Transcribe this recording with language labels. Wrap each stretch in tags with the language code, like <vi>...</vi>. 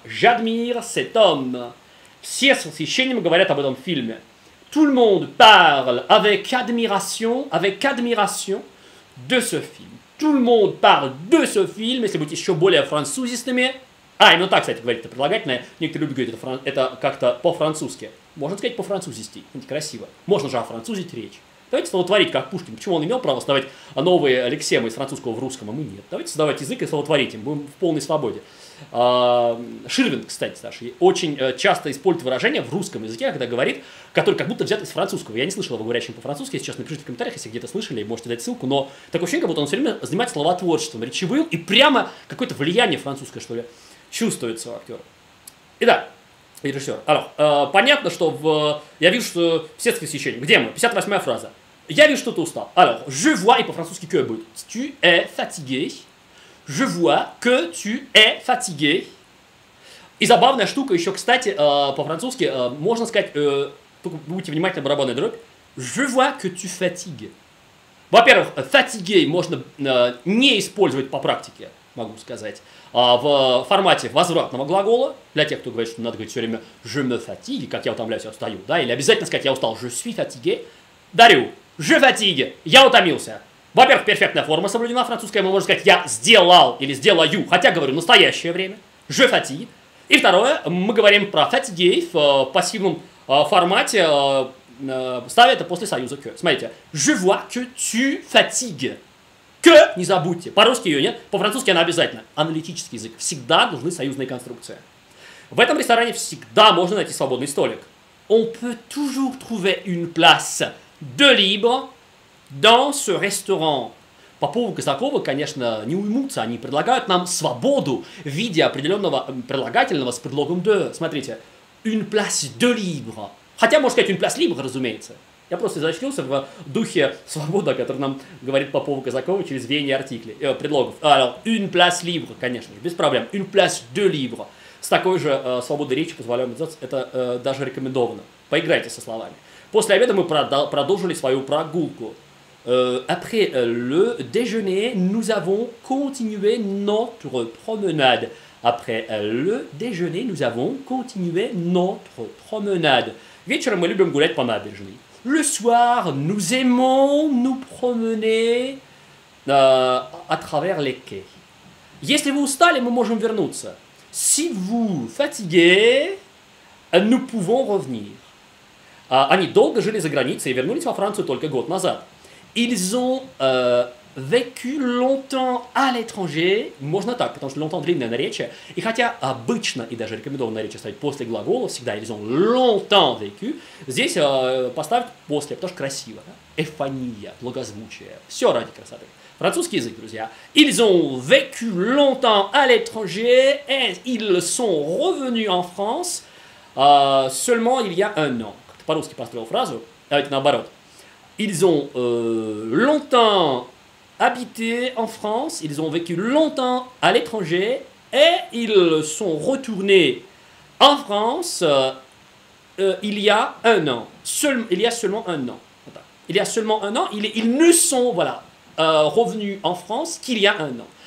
<fr>J'admire cet homme. Si à ce chien, on va dire dans le film, tout le monde parle avec admiration de ce film. Tout le monde parle de ce film, et c'est beaucoup plus chouette en français, si tu veux.</fr> <ru>Ah, именно так, кстати, говорить, предлагать, но некоторые любят говорить это как-то по-французски. Можно сказать по-французски, это красиво. Можно же офранцузить речь. Давайте словотворить, как Пушкин. Почему он имел право создавать новые лексемы из французского в русском, а мы нет? Давайте создавать язык и словотворить им, будем в полной свободе. Ширвин, кстати, Саша, очень часто использует выражение в русском языке, когда говорит, который как будто взят из французского. Я не слышал его говорящим по-французски, сейчас напишите в комментариях, если где-то слышали, можете дать ссылку, но такое ощущение, как будто он все время занимается словотворчеством, речевым, и прямо какое-то влияние французское, что ли, чувствуется у актера. Итак, режиссер. Alors, понятно, что я вижу, что все с восхищением. Где мы? 58-я фраза. Я вижу, что ты устал.</ru> <fr>Alors, je vois,</fr> <ru>и по-французски</ru> <fr>que</fr> <ru>будет.</ru> <fr>Tu es fatigué. Je vois que tu es fatigué.</fr> <ru>И забавная штука еще, кстати, по-французски можно сказать, только будьте внимательны, барабанная дробь.</ru> <fr>Je vois que tu fatigues.</fr> <ru>Во-первых, fatigué можно не использовать по практике, могу сказать, в формате возвратного глагола, для тех, кто говорит, что надо говорить все время</ru> <fr>«je me fatigue»,</fr> <ru>как я утомляюсь, я устаю, да, или обязательно сказать «я устал»,</ru> <fr>«je suis fatigué»,</fr> <ru>дарю,</ru> <fr>«je fatigue»,</fr> <ru>«я утомился». Во-первых, перфектная форма соблюдена французская, мы можем сказать «я сделал» или «сделаю», хотя говорю «настоящее время»,</ru> <fr>«je fatigue».</fr> <ru>И второе, мы говорим про «fatigué» в пассивном формате, ставя это после союза «que». Смотрите,</ru> <fr>«je vois que tu fatigues».</fr> <ru>Que, не забудьте, по-русски ее нет, по-французски она обязательно. Аналитический язык, всегда нужны союзные конструкции. В этом ресторане всегда можно найти свободный столик.</ru> <fr>On peut toujours trouver une place de libre dans ce restaurant.</fr> <ru>По поводу Казакова, конечно, не уймутся, они предлагают нам свободу в виде определенного прилагательного с предлогом de.</ru> <fr>Смотрите, une place de libre.</fr> <ru>Хотя можно сказать</ru> <fr>une place libre,</fr> <ru>разумеется. Я просто изощрился в духе свободы, о котором нам говорит Попова Казакова через веяние артиклей, предлогов.</ru> <fr>Une place libre,</fr> <ru>конечно же, без проблем.</ru> <fr>Une place de libre.</fr> <ru>С такой же свободой речи позволяем называться. Это даже рекомендовано. Поиграйте со словами. После обеда мы продолжили свою прогулку.</ru> <fr>Après le déjeuner, nous avons continué notre promenade. Après le déjeuner, nous avons continué notre promenade.</fr> <ru>Вечером мы любим гулять по набережной.</ru> <fr>Le soir, nous aimons nous promener à travers les quais.</fr> <ru>Если вы устали, мы можем вернуться.</ru> <fr>Si vous fatiguez, nous pouvons revenir.</fr> <ru>Они долго жили за границей и вернулись во Францию только год назад.</ru> <fr>Ils ont vécu longtemps à l'étranger.</fr> <ru>Можно так, потому что longtemps длинное наречие. И хотя обычно и даже рекомендовано наречие ставить после глагола, всегда</ru> <fr>ils ont longtemps vécu,</fr> <ru>здесь поставить после, потому что красиво. Да? Эфония, благозвучие. Все ради красоты. Французский язык, друзья.</ru> <fr>Ils ont vécu longtemps à l'étranger et ils sont revenus en France seulement il y a un an.</fr> <ru>Как-то по-русски построил фразу, давайте наоборот.</ru> <fr>Ils ont longtemps habité en France, ils ont vécu longtemps à l'étranger et ils sont retournés en France il y a un an. Il y a seulement un an. Il y a seulement un an, ils ne sont revenus en France qu'il y a un an.</fr>